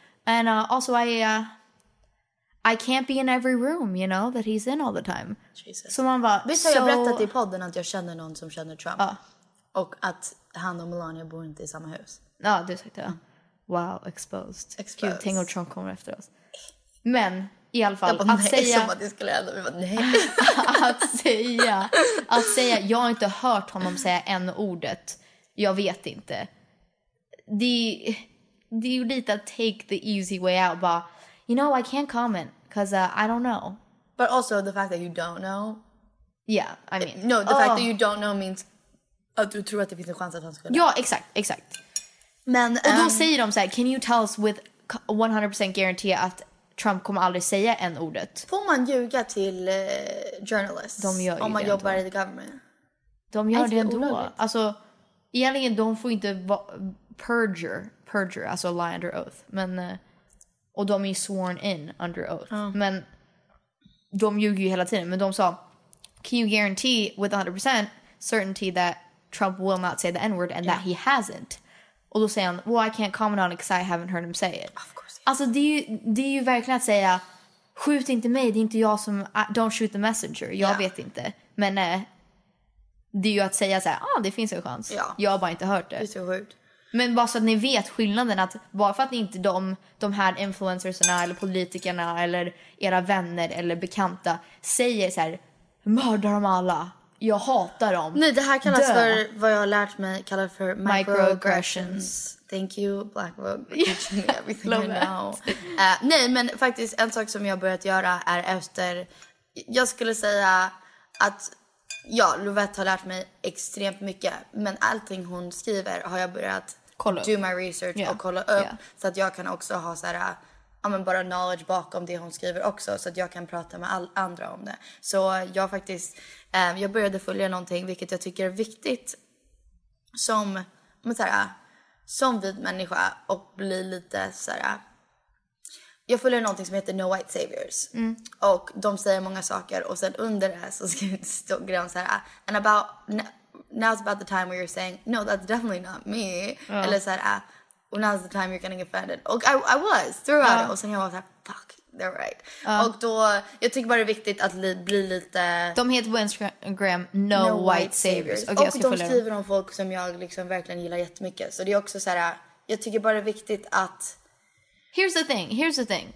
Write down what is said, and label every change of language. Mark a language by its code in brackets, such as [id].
[en] And also I can't be in every room, you know, that he's in all the time. Jesus. [sv] Så man bara, visst har jag berättat i podden att jag känner någon som känner Trump? Och att han och Melania bor inte i samma hus. Ja, du sa det. Wow, exposed. Gud, tänk om Trump kommer efter oss. Men i alla fall, att säga jag har inte hört honom säga en ordet. Jag vet inte. Det är ju lite att [en] take the easy way out. Bara, you know, I can't comment. Because I don't know. But also the fact that you don't know. Yeah, I mean. The fact that you don't know means [sv] att du tror att det finns en chans att han skulle. Ja, exakt. Men, och då säger de så här, [en] can you tell us with 100% guarantee [sv] att Trump kommer aldrig säga en ordet? Får man ljuga till journalists? De gör om man jobbar i [en] the government. [sv] De gör det ändå. Alltså, egentligen, de får inte perjure, alltså [en] lie under oath. [sv] Men, och de är [en] sworn in under oath. Oh. [sv] Men de ljuger ju hela tiden. Men de sa, [en] can you guarantee with 100% certainty that Trump will not say the N-word and that he hasn't? [sv] Och då säger han, [en] well, I can't comment on it because I haven't heard him say it. Of course. [sv] Alltså, det är ju verkligen att säga, skjut inte mig, det är inte jag som, [en] don't shoot the messenger, [sv] jag vet inte. Men det är ju att säga så här, det finns en chans. Ja. Jag har bara inte hört det. Det är så sjukt. Men bara så att ni vet skillnaden, att bara för att ni inte de här influencersna eller politikerna eller era vänner eller bekanta säger så här, mörda dem alla, jag hatar dem. Nej, det här kallas för vad jag har lärt mig, kallar för microaggressions. [en] Thank you, Black Vogue, for teaching me everything you know. [sv] Nej, men faktiskt en sak som jag börjat göra är efter, jag skulle säga att, ja, Lovette har lärt mig extremt mycket, men allting hon skriver har jag börjat kolla [en] do my research [sv] och kolla upp så att jag kan också ha så här, ja, men bara knowledge bakom det hon skriver också, så att jag kan prata med andra om det. Så jag faktiskt, jag började följa någonting, vilket jag tycker är viktigt som, men så här, som vit människa, och bli lite så här. Jag följer någonting som heter No White Saviors. Mm. Och de säger många saker, och sen under det så skriver de så här, [en] and about, now's about the time where you're saying, no, that's definitely not me. Ja. [sv] Eller så här, [en] well, now's the time you're getting offended. [sv] Och [en] I was throughout it. [sv] Och sen jag var så här, [en] fuck, they're right. [sv] Ja. Och då, jag tycker bara det är viktigt att bli lite. De heter på Instagram No White Saviors. Okay, och de skriver om folk som jag liksom verkligen gillar jättemycket. Så det är också så här, jag tycker bara det är viktigt att [en] Here's the thing.